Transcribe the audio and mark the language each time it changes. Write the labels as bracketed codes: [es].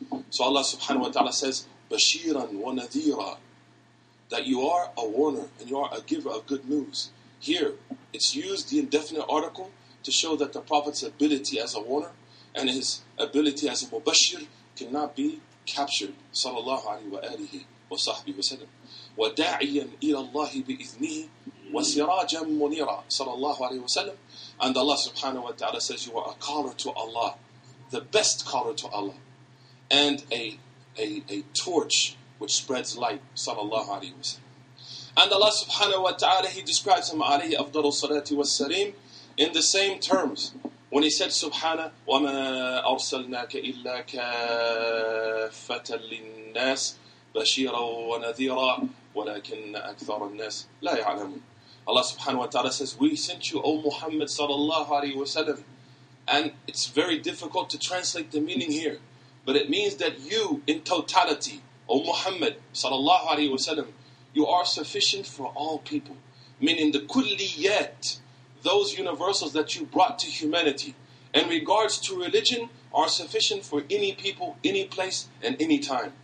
[en] So Allah subhanahu wa ta'ala says, bashiran wa nadhira, that you are a warner and you are a giver of good news. Here, it's used, the indefinite article, to show that the Prophet's ability as a warner and his ability as a mubashir cannot be captured, sallallahu alayhi wa alihi wa sahbihi wa sallam. [ar] وَدَاعِيًا إِلَى اللَّهِ بِإِذْنِهِ وَسِرَاجًا مُنِيرًا sallallahu alayhi wa sallam. [en] And Allah subhanahu wa ta'ala says, you are a caller to Allah, the best caller to Allah, and a torch which spreads light, sallallahu alayhi wa sallam. And Allah subhanahu wa ta'ala, he describes him alayhi afdalu salati wa sareem in the same terms. [ar] When he said subhana, وَمَا أَرْسَلْنَاكَ إِلَّا كَافَّةً لِلنَّاسِ بَشِيرًا وَنَذِيرًا وَلَكِنَّ أَكْثَرَ النَّاسِ لَا يَعْلَمُونَ. [en] Allah subhanahu wa ta'ala says, we sent you, O Muhammad sallallahu alayhi wa sallam. And it's very difficult to translate the meaning here, but it means that you in totality, O Muhammad sallallahu alayhi wa sallam, you are sufficient for all people. Meaning the kulliyat, those universals that you brought to humanity in regards to religion, are sufficient for any people, any place, and any time.